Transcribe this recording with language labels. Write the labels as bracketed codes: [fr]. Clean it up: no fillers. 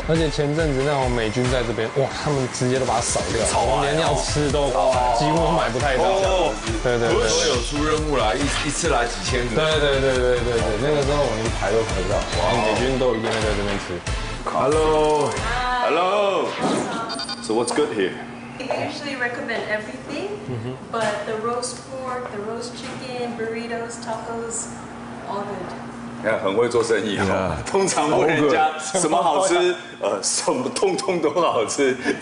[zh] 而且前阵子那种美军在这边，哇，他们直接都把它扫掉，超连要吃都几乎买不太到。对对对，不是都有出任务啦，一次来几千个。对对对对对对，那个时候我们排都排不到，哇，美军都一定会在这边吃。 [en] Hello, hello. So what's good here? They usually recommend everything, but the roast pork, the roast chicken, burritos, tacos, all good. [zh] Yeah, 很会做生意、yeah. 通常问人家什么好吃，什么通通都好吃。